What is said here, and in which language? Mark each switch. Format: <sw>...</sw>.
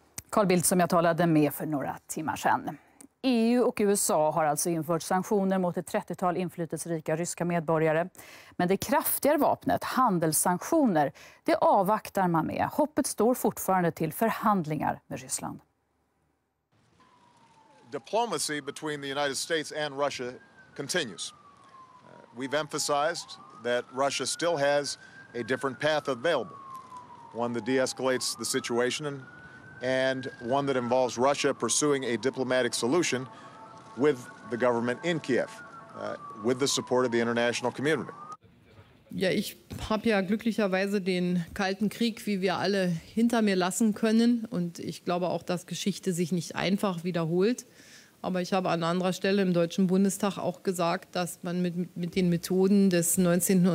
<sv>Carl Bildt som jag talade med för några timmar sedan. EU och USA har alltså infört sanktioner mot ett 30-tal inflytelserika ryska medborgare. Men det kraftigare vapnet, handelssanktioner, det avvaktar man med. Hoppet står fortfarande till förhandlingar med Ryssland.</sv> <en>Diplomacy between the United States and Russia continues. We've emphasized that Russia still has a different path available. One that de-escalates the situation and one that involves Russia pursuing a diplomatic solution with the government in Kiev, with the support of the international community.</en> <de>Ja, ich habe ja glücklicherweise den Kalten Krieg, wie wir alle, hinter mir lassen können. Und ich glaube auch, dass Geschichte sich nicht einfach wiederholt. Aber ich habe an anderer Stelle im Deutschen Bundestag auch gesagt, dass man mit den Methoden des 19.</de>